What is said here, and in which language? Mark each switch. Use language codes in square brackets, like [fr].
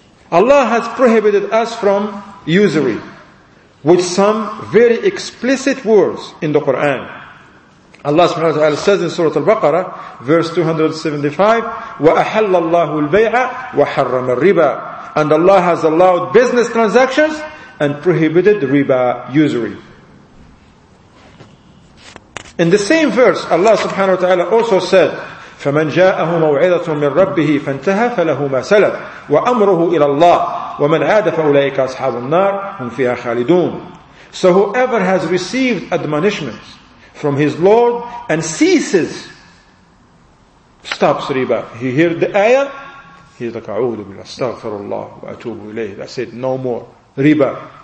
[en] Allah has prohibited us from usury with some very explicit words in the Quran. Allah subhanahu wa ta'ala says in Surah Al-Baqarah, verse 275, [ar] وَأَحَلَّ اللَّهُ الْبَيْعَ وَحَرَّمَ الْرِبَى. [en] And Allah has allowed business transactions and prohibited riba, usury. In the same verse, Allah subhanahu wa ta'ala also said, [ar] فَمَنْ جَاءَهُ مَوْعِدَةٌ مِنْ رَبِّهِ فَانْتَهَى فَلَهُ مَا سَلَفْ وَأَمْرُهُ إِلَى اللَّهِ وَمَنْ عَادَ فَأُولَئِكَ أَصْحَابُ النَّارِ هُمْ فِيهَا خَالِدُونَ. [en] So whoever has received admonishments from his Lord and ceases, stops riba. He heard the ayah, he's like, [ar] أَعُوذُ بِاللَّهِ أَسْتَغْفِرُ اللَّهُ وَأَتُوبُ إِلَيْهِ. [en] I said, no more riba.